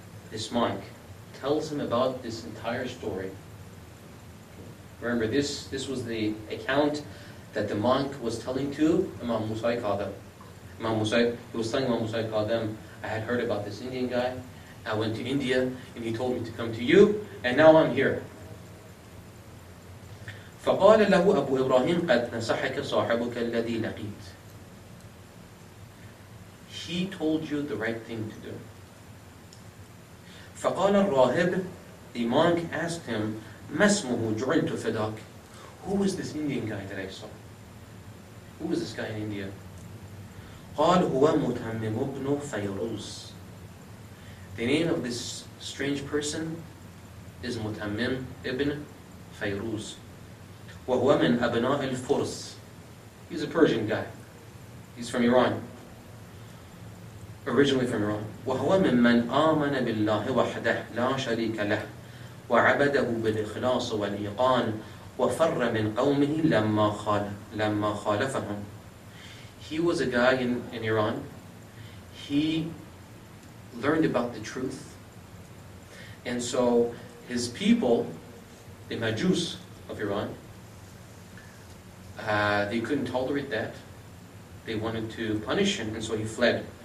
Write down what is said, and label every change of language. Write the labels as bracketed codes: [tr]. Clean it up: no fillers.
[en] this monk tells him about this entire story, remember this was the account that the monk was telling to Imam Musa al-Kadham. Imam Musa, he was telling Imam Musa al-Kadham, I had heard about this Indian guy, I went to India and he told me to come to you, and now I'm here. [ar] فقال له أبو إبراهيم قد نصحك صاحبك الذي لقيت. [en] He told you the right thing to do. [ar] فقال الراهب, [en] the monk asked him, [ar] ما اسمه جعلت فداك. [en] Who is this Indian guy that I saw? Who is this guy in India? [ar] قال هو متمم بن فيروز. [en] The name of this strange person is متمم ابن فيروز. [ar] وهو من أبناء الفرس. [en] He's a Persian guy. He's from Iran. Originally from Iran. [ar] وهو من من آمن بالله وحده لا شريك له وعبده بالإخلاص والإيقان وفر من قومه لما خالفهم. [en] He was a guy in Iran. He learned about the truth. And so his people, the Majus of Iran, they couldn't tolerate that. They wanted to punish him, and so he fled.